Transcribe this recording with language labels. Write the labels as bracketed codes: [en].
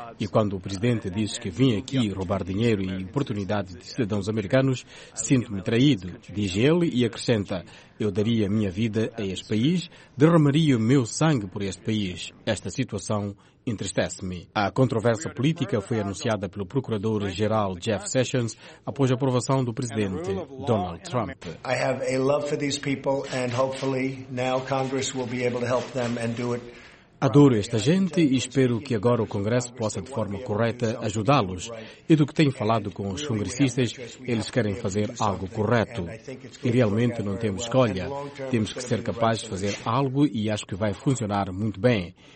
[pt] E quando o presidente diz que vim aqui roubar dinheiro e oportunidades de cidadãos americanos, sinto-me traído, diz ele e acrescenta, eu daria a minha vida a este país, derramaria o meu sangue por este país. Esta situação entristece-me. A controvérsia política foi anunciada pelo procurador-geral Jeff Sessions após a aprovação do presidente Donald Trump. [en] I have a love for these people and hopefully now Congress will be able to help them and do it. [pt] Adoro esta gente e espero que agora o Congresso possa, de forma correta, ajudá-los. E do que tenho falado com os congressistas, eles querem fazer algo correto. E realmente não temos escolha. Temos que ser capazes de fazer algo e acho que vai funcionar muito bem.